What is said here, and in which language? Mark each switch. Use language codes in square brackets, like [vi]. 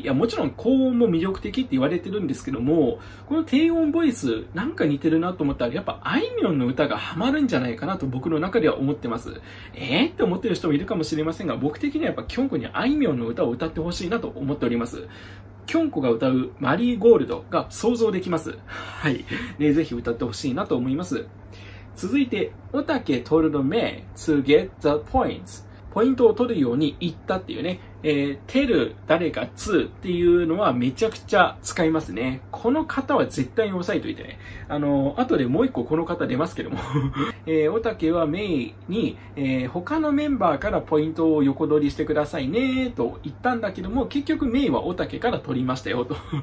[ja] いや、もちろん高音も魅力的って言われてるんですけども、この低音ボイスなんか似てるなと思ったらやっぱあいみょんの歌がハマるんじゃないかなと僕の中では思ってます。って思ってる人もいるかもしれませんが、僕的にはやっぱキョンコにあいみょんの歌を歌ってほしいなと思っております。キョンコが歌うマリーゴールドが想像できます。はい、ね、ぜひ歌ってほしいなと思います。 [en] 続いて、おたけ told me to get the points。 [ja] ポイントを取るように言ったっていうね、tell 誰か to っていうのはめちゃくちゃ使いますね。この方は絶対に押さえておいてね。後でもう一個この方出ますけども。おたけはメイに、他のメンバーからポイントを横取りしてくださいねと言ったんだけども、結局メイはおたけから取りましたよと。